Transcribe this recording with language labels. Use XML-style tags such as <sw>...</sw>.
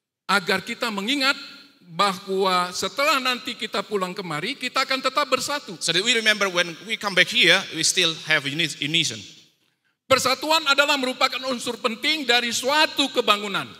<id>Agar kita mengingat bahwa setelah nanti kita pulang kemari, kita akan tetap bersatu.</id> <en>So that we remember when we come back here, we still have unison.</en> <id>Persatuan adalah merupakan unsur penting dari suatu kebangunan.</id>